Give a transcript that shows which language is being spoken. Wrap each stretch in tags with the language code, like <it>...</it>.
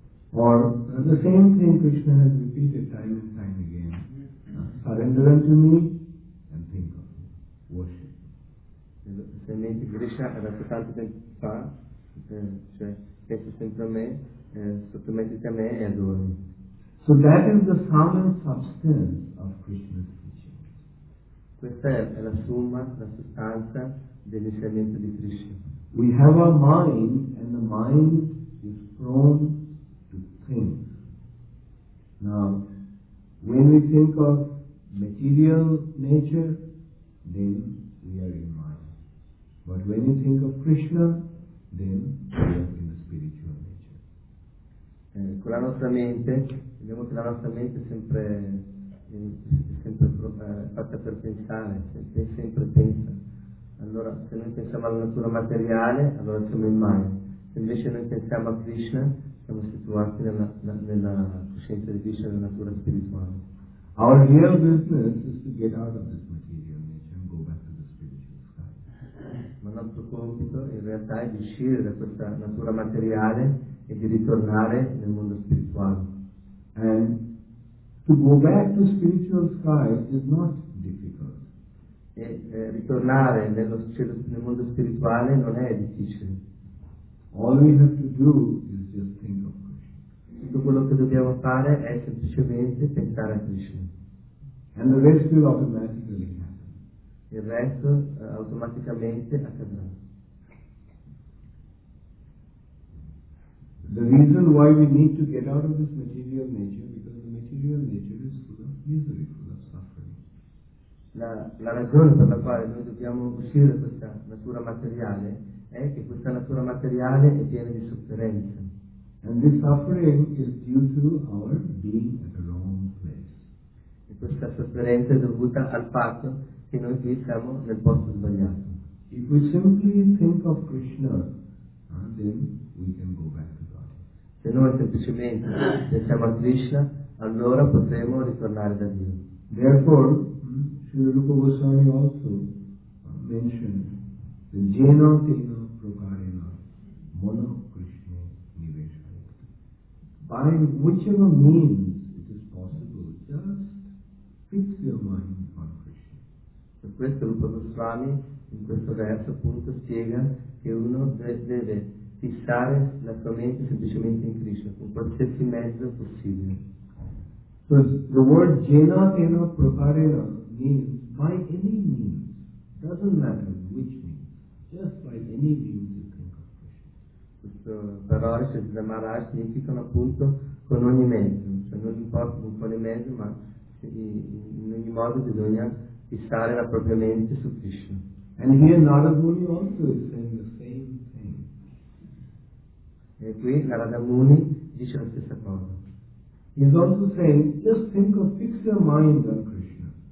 <en>Or, the same thing Krishna has repeated time and time again. Surrender unto me, and think of me. Worship.</en> <it>Semplicemente Krishna ha detto tanto tempo fa, cioè pensa sempre a me, sottomettiti a me e adorami.</it> <en>So that is the sum and substance of Krishna's teaching.</en> <it>Questa è la summa, la sostanza dell'insegnamento di Krishna.</it> <en>We have our mind, and the mind is prone to think. Now, when we think of material nature, then we are in mind. But when you think of Krishna, then we are in the spiritual nature.</en> <it>Con la nostra mente, vediamo che la nostra mente sempre sempre fatta per pensare, sempre pensa. Allora, se noi pensiamo alla natura materiale, allora siamo</it> <en>in mind.</en> <it>Se invece noi pensiamo a Krishna, siamo situati nella coscienza di Krishna, nella natura spirituale.</it> <en>Our real business is to get out of this material nature and go back to the spiritual side.</en> <it>Ma il nostro compito in realtà è di uscire da questa natura materiale e di ritornare nel mondo spirituale.</it> <en>And to go back to spiritual sky is not difficult.</en> <it>Ritornare nel mondo spirituale non è difficile.</it> <en>All we have to do is just think of Krishna.</en> <it>Tutto quello che dobbiamo fare è semplicemente pensare a Krishna.</it> <en>And the rest will automatically happen.</en> <it>Il resto automaticamente accadrà.</it> <en>The reason why we need to get out of this material nature, because the material nature is full of misery, full of suffering.</en> <it>La ragione per la quale noi dobbiamo uscire da questa natura materiale è che questa natura materiale è piena di sofferenza.</it> <en>And this suffering is due to our being at the wrong place.</en> <it>E questa sofferenza è dovuta al fatto che noi qui siamo nel posto sbagliato.</it> <en>If we simply think of Krishna, then we can go back.</en> <it>Se noi semplicemente pensiamo a Krishna, allora potremo ritornare da Dio.</it> <en>Therefore, Srila Rupa Goswami also mentioned the</en> <sa>jena tena prakarena mano krishna niveshaya.</sa> <en>By whichever means it is possible, just fix your mind on Krishna.</en> <it>Per questo Rupa Goswami in questo verso appunto spiega che uno deve fissare la tua mente semplicemente in Krishna, con qualsiasi mezzo possibile.</it> <en>So the word</en> <sa>jena tena prakarena</sa> <en>means by any means, doesn't matter which means, just by any means you think of Krishna.</en> <it>Questo parola, cioè da Maharaj, significano appunto con ogni mezzo, cioè non importa con quale mezzo, ma in ogni modo bisogna fissare la propria mente su Krishna.</it> <en>And here Narada Muni also is saying the same.</en> <it>E qui Narada Muni dice la stessa cosa.</it> <en>He's also saying, just think of, fix your mind on Krishna.</en>